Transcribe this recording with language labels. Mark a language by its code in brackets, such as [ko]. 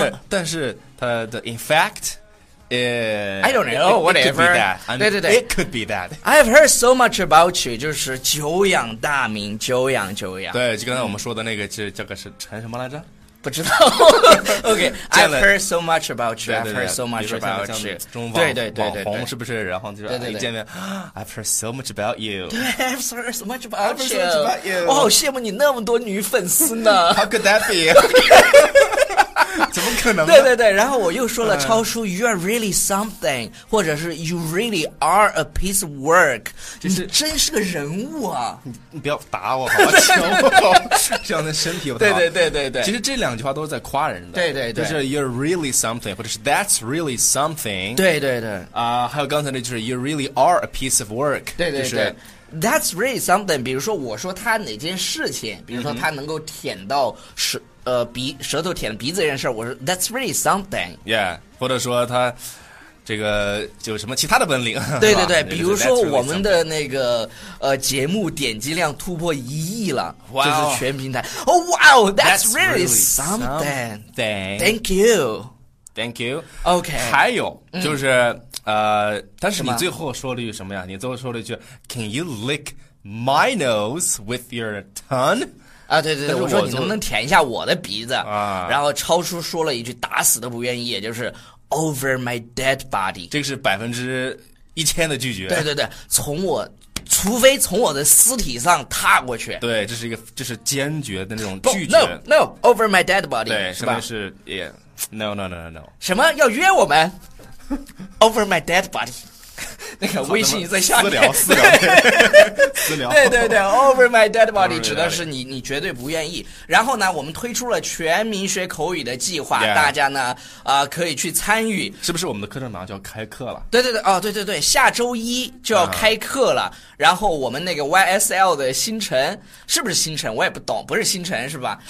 [zh] 但是他的 [en] in fact I don't know whatever it could be that. [zh] 对对对 [en] it could be that. I've heard so much about you, [zh] 就是久仰大名，久仰久仰。对，就刚才我们说的那个是这个是陈什么来着？不知道。 [en] OK, I've heard so much about you. [zh] 对对对 [en] I've heard so much about you. [zh] 这种网红是不是？然后就说对对对一见面 [en] ，I've heard so much about you. 对 ，I've heard so much about you. I've heard so much about you. [zh] 我好羡慕你那么多女粉丝呢。 [en] How could that be? [zh] 怎么可能呢？对对对，然后我又说了超叔 ， [en] You are really something， [zh] 或者是 [en] You really are a piece of work， [zh] 就是你真是个人物啊！你不要打我好吗？求我，这样的身体不太好。对对对对对，其实这两句话都是在夸人的。对对对，就是 [en] You're really something， [zh] 或者是 [en] That's really something。 [zh] 对对对，还有刚才那就是 [en] You really are a piece of work。 [zh] 对对对。就是 [en] That's really something. [zh] 比如说，我说他哪件事情，比如说他能够舔到舌头舔鼻子这件事，我说 [en] That's really something. Yeah, [zh] 或者说他这个就什么其他的本领。对对对，是比如说我们的那个节目点击量突破一亿了， [en] wow. [zh] 就是全平台。 [en] Oh wow, that's really something. Thank you. Thank you. OK. [zh] 还有就是。但是你最后说了一句什么呀？你最后说了一句 ， [en] Can you lick my nose with your tongue？ [zh] 啊，对对对，我说你能不能舔一下我的鼻子？然后超叔说了一句打死都不愿意，就是 [en] Over my dead body。 [zh] 这个是1000%的拒绝。对对对，除非从我的尸体上踏过去。对，这是一个就是坚决的那种拒绝。 [en] No, over my dead body。 [zh] 对，是吧？是 [en] ，Yeah，No。 [zh] 什么要约我们？ [en] Over my dead body， [zh] 那个微信在下面私聊，对对对 ， [en] Over my dead body [zh] 指的是你绝对不愿意。然后呢，我们推出了全民学口语的计划， [en] yeah. [zh] 大家呢可以去参与。是不是我们的课程马上就要开课了？对对对，哦对对对，下周一就要开课了。然后我们那个 YSL 的星辰，是不是星辰？我也不懂，不是星辰是吧？